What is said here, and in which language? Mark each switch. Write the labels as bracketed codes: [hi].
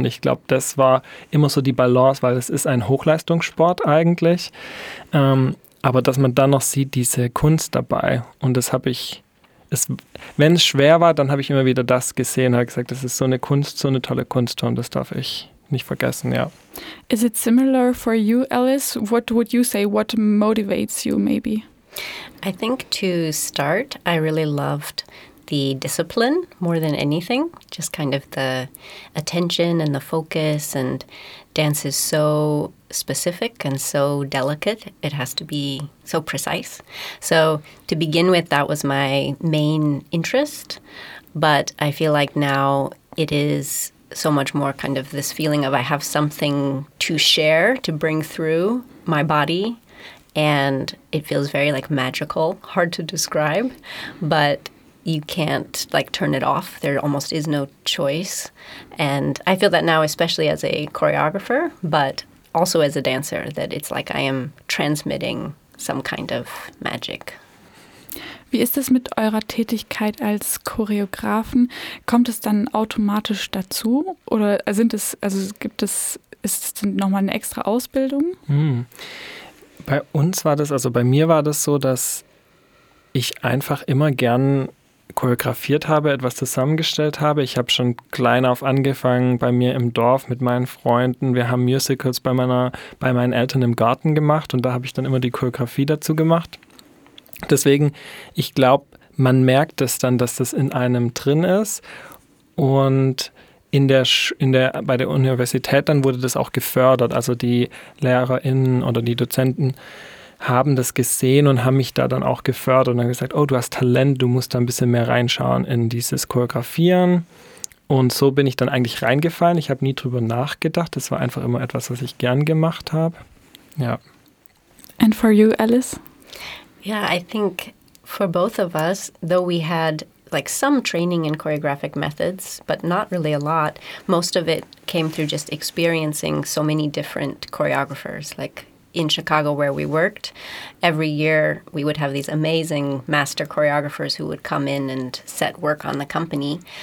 [de] Und ich glaube, das war immer so die Balance, weil es ist ein Hochleistungssport eigentlich. Aber dass man dann noch sieht, diese Kunst dabei. Und das habe ich, wenn es schwer war, dann habe ich immer wieder das gesehen, habe gesagt, das ist so eine Kunst, so eine tolle Kunst und das darf ich nicht vergessen, ja. [en] Is it similar for you, Alice? What would you say, what motivates you maybe? I think to start, I really loved the discipline more than anything, just kind of the attention and the focus, and dance is so specific and so delicate, it has to be so precise. So to begin with, that was my main interest, but I feel like now it is so much more kind of this feeling of I have something to share, to bring through my body. And it feels very, like, magical, hard to describe, but you can't, like, turn it off. There almost is no choice. And I feel that now, especially as a choreographer, but also as a dancer, that it's like I am transmitting some kind of magic. [de] Wie ist es mit eurer Tätigkeit als Choreografen? Kommt es dann automatisch dazu? Oder ist es denn nochmal eine extra Ausbildung? Bei uns war das, also bei mir war das so, dass ich einfach immer gern choreografiert habe, etwas zusammengestellt habe. Ich habe schon klein auf angefangen bei mir im Dorf mit meinen Freunden. Wir haben Musicals bei meinen Eltern im Garten gemacht und da habe ich dann immer die Choreografie dazu gemacht. Deswegen, ich glaube, man merkt es dann, dass das in einem drin ist. Und bei der Universität dann wurde das auch gefördert. Also die LehrerInnen oder die Dozenten haben das gesehen und haben mich da dann auch gefördert und dann gesagt, oh, du hast Talent, du musst da ein bisschen mehr reinschauen in dieses Choreografieren. Und so bin ich dann eigentlich reingefallen. Ich habe nie drüber nachgedacht. Das war einfach immer etwas, was ich gern gemacht habe. Ja. [en] And for you, Alice? Yeah, I think for both of us, though we had like some training in choreographic methods, but not really a lot, most of it came through just experiencing so many different choreographers. Like in Chicago, where we worked, every year we would have these amazing master choreographers who would come in and set work on the company.